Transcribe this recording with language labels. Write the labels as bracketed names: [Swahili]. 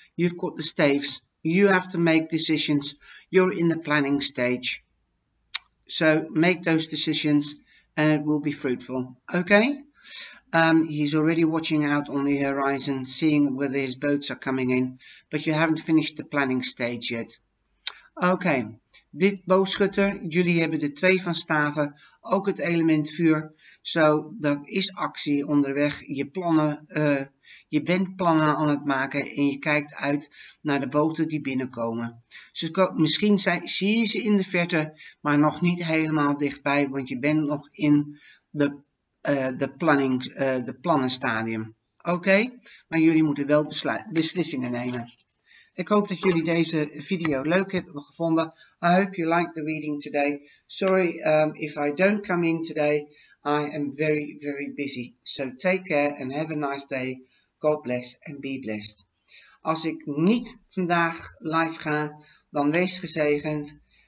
[English] You've got the staves. You have to make decisions. You're in the planning stage. So make those decisions and it will be fruitful, okay? He's already watching out on the horizon, seeing whether his boats are coming in, but you haven't finished the planning stage yet. [Dutch] Okay, dit boogschutter, jullie hebben de twee van staven, ook het element vuur. So er is actie onderweg, je plannen, je bent plannen aan het maken en je kijkt uit naar de boten die binnenkomen. Misschien zie je ze in de verte, maar nog niet helemaal dichtbij, want je bent nog in de plannenstadium. Oké, maar jullie moeten wel beslissingen nemen. Ik hoop dat jullie deze video leuk hebben gevonden. [English] I hope you like the reading today. Sorry if I don't come in today. I am very, very busy. So take care and have a nice day. God bless and be blessed. [Dutch] Als ik niet vandaag live ga, dan wees gezegend.